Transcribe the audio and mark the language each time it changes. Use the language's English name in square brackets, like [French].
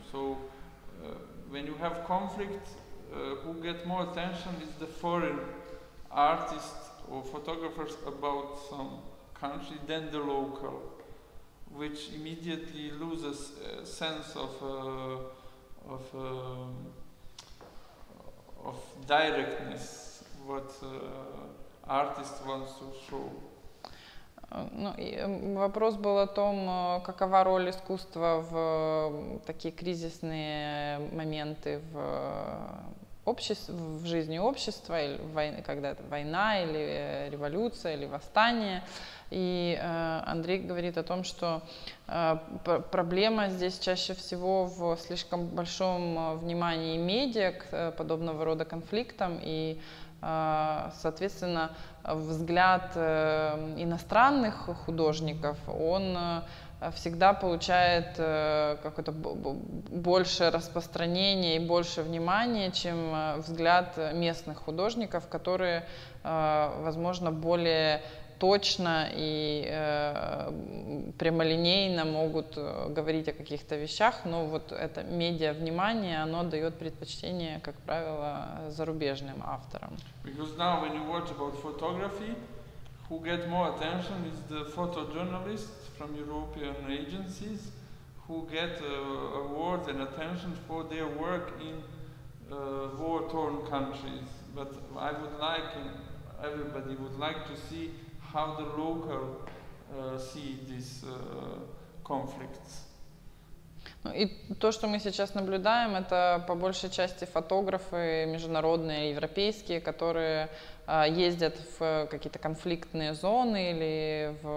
[English] So when you have conflict, who get more attention is the foreign artists or photographers about some country than the local, which immediately loses sense of directness. What artist wants to show. [Russian] Ну, вопрос был о том, какова роль искусства в такие кризисные моменты в обществе, в жизни общества, или войны, когда это война, или революция, или восстание. И Андрей говорит о том, что проблема здесь чаще всего в слишком большом внимании медиа к подобного рода конфликтам, и соответственно, взгляд иностранных художников, он всегда получает какое-то большее распространение и больше внимания, чем взгляд местных художников, которые, возможно, более точно и прямолинейно могут говорить о каких-то вещах, но вот это медиа-внимание, оно дает предпочтение, как правило, зарубежным авторам. [English] Because now when you watch about photography, who get more attention is the photojournalists from European agencies who get awards and attention for their work in war-torn countries. But I would like, and everybody would like to see how the local see these conflicts. [Russian] Ну и то, что мы сейчас наблюдаем, это по большей части фотографы международные, европейские, которые ездят в какие-то конфликтные зоны или